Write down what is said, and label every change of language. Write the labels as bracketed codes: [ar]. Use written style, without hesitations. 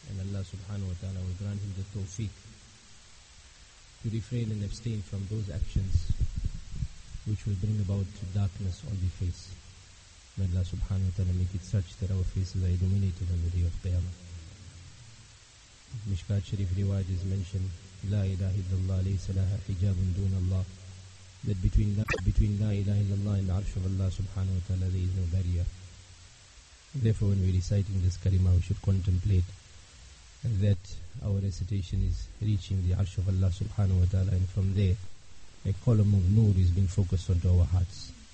[en] And Allah subhanahu wa ta'ala will grant him the tawfiq to refrain and abstain from those actions which will bring about darkness on the face. May Allah subhanahu wa ta'ala make it such that our faces are illuminated on the day of Qiyamah. Mishkat Sharif riwayat is mentioned, [ar] لا إله إلا الله ليس لها حجاب دون الله. [en] That between [ar] لا إله إلا الله [en] and the arsh of Allah subhanahu wa ta'ala there is no barrier. Therefore when we're reciting this kalima, we should contemplate that our recitation is reaching the arsh of Allah subhanahu wa ta'ala, and from there a column of nur is being focused onto our hearts.